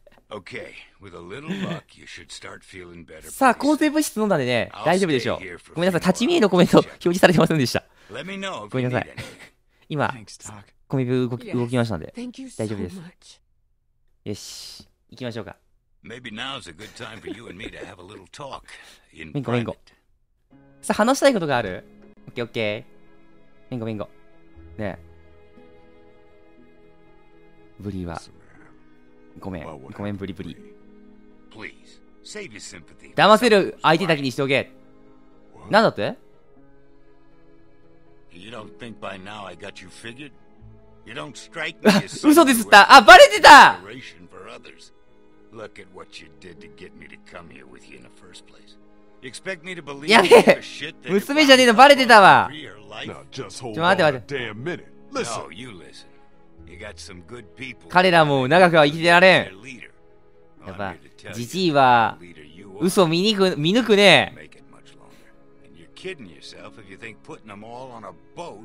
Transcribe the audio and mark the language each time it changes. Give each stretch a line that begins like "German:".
English: Okay, with a little luck, you should start feeling better.
Japanese: さあ、抗生物質飲んだんでね、大丈夫でしょう。ごめんなさい、立ち見えのコメント表示されてませんでした。ごめんなさい。今、コミブ動きましたんで、大丈夫です。よし、行きましょうか。
English: Maybe now's a good time for you and me to have a little talk in private. Mingo, mingo.
Japanese: さ、話したいことがある。オッケー、オッケー。Mingo, mingo. ね。ブリは。ごめん、ごめん、ブリブリ。
English: Please, save your sympathy.
Japanese: 騙せる相手だけにしておけ。なんだって
English: ？You don't think by now I got you figured? You don't strike me as such.
Japanese: 嘘ですった。あ、バレてた。
English: Inspiration for others. Look at what you did to get me to come here with you in the first place. You expect me to believe the shit that you're talking about?
Japanese: 娘じゃねえのバレてたわ。
English: Now just hold on a damn minute. Listen. No, you listen. You got some good people.
Japanese: 彼らも長くは生きてられん。やっぱジジイは嘘を見抜くね。
English: You're kidding yourself if you think putting them all on a boat.